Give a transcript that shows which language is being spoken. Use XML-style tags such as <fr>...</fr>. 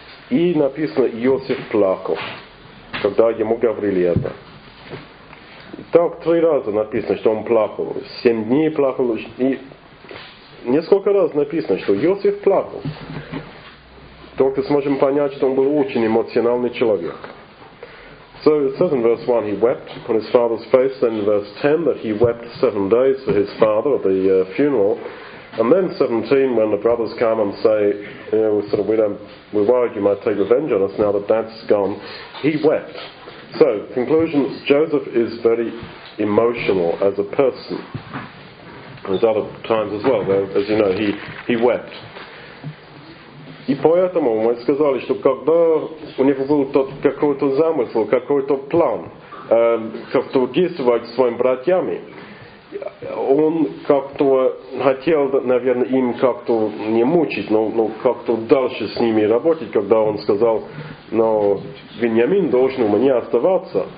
<ru>И написано, Иосиф плакал, когда ему говорили это. Так три раза написано, что он плакал. 7 дней плакал. И несколько раз написано, что Иосиф плакал. Только сможем понять, что он был очень эмоциональный человек.</ru> <en>So it says in verse 1, he wept on his father's face. Then in verse 10, that he wept 7 days for his father at the funeral. And then 17, when the brothers come and say, you know, sort of, we're worried you might take revenge on us now that dad's gone, he wept. So, conclusion, Joseph is very emotional as a person. There's other times as well, where, as you know, he wept.</en> <ru>И поэтому мы сказали, что когда у него был тот какой-то замысел, какой-то план, как-то действовать со своими братьями, он как-то хотел, наверное, им как-то не мучить, но как-то дальше с ними работать, когда он сказал, но Вениамин должен у меня оставаться.</ru>